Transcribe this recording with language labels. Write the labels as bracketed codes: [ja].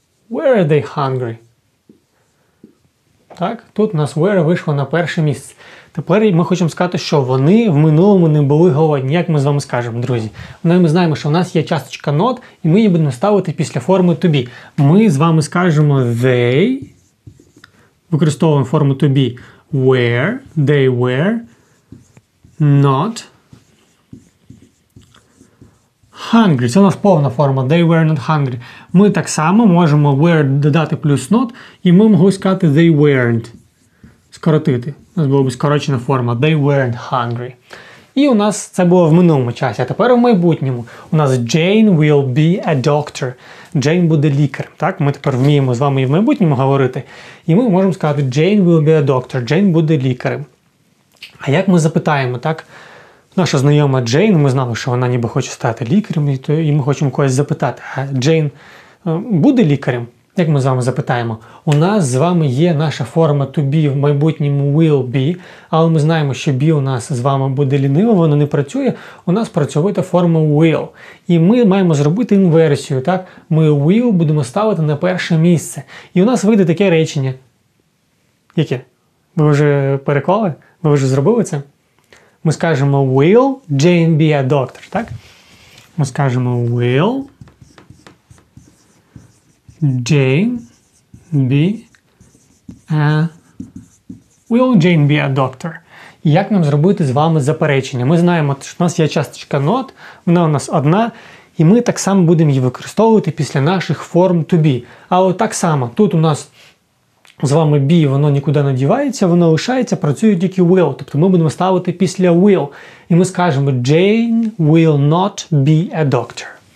[en] Where are they hungry? [uk] Так, тут у нас where вийшло на перше місце. Тепер ми хочемо сказати, що вони в минулому не були голодні, як ми з вами скажемо, друзі. Ми знаємо, що у нас є часточка not, і ми її будемо ставити після форми to be. Ми з вами скажемо they, використовуємо форму to be, where, [en] they were not hungry. [uk] Це у нас повна форма, [en] they were not hungry. [uk] Ми так само можемо where додати плюс not, і ми могли сказати [en] they weren't. [uk] Скоротити. У нас була б скорочена форма. [en] They weren't hungry. [uk] І у нас це було в минулому часі, а тепер в майбутньому. У нас [en] Jane will be a doctor. [uk] Jane буде лікар. Так? Ми тепер вміємо з вами і в майбутньому говорити. І ми можемо сказати [en] Jane will be a doctor. [uk] Jane буде лікарем. А як ми запитаємо, так? Наша знайома Jane, ми знали, що вона ніби хоче стати лікарем, і ми хочемо когось запитати. А Jane буде лікарем? Як ми з вами запитаємо? У нас з вами є наша форма to be в майбутньому will be, але ми знаємо, що be у нас з вами буде ліниво, воно не працює, у нас працює форма will. І ми маємо зробити інверсію, так? Ми will будемо ставити на перше місце. І у нас вийде таке речення. Яке? Ви вже переклали? Ви вже зробили це? Ми скажемо [en] will Jane be a doctor, [uk] так? Ми скажемо [en] will Jane be a... Will Jane be a doctor? [uk] І як нам зробити з вами заперечення? Ми знаємо, що у нас є часточка not, вона у нас одна, і ми так само будемо її використовувати після наших форм to be. Але так само, тут у нас з вами be, воно нікуди не дівається, воно лишається, працює тільки will. Тобто ми будемо ставити після will. І ми скажемо [en] Jane will not be a doctor.